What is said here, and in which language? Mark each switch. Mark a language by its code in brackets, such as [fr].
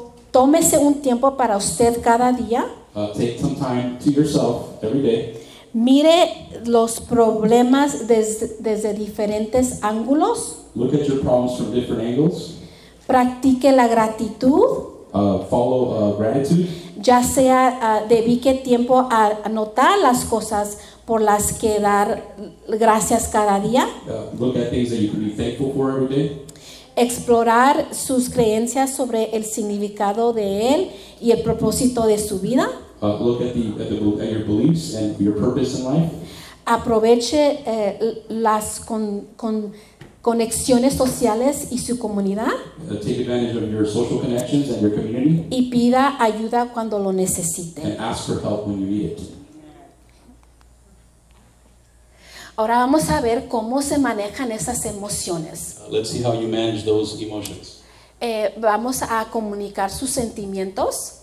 [es] Tómese un tiempo para usted cada día. [en] Take some time to yourself every day. [es] Mire los problemas desde diferentes ángulos. [en] Look at your problems from different angles. [es] Practique la gratitud. [en] Follow gratitude. [es] Ya sea dedique tiempo a anotar las cosas por las que dar gracias cada día. [en] Look at things that you can be thankful for every day. [es] Explorar sus creencias sobre el significado de él y el propósito de su vida. [en] Look at your beliefs and your purpose in life. [es] Aproveche las conexiones sociales y su comunidad. [en] Take advantage of your social connections and your community. [es] Y pida ayuda cuando lo necesite. [en] And ask for help when you need it. [es] Ahora vamos a ver cómo se manejan esas emociones. [en] Let's see how you manage those emotions. [es] Vamos a comunicar sus sentimientos.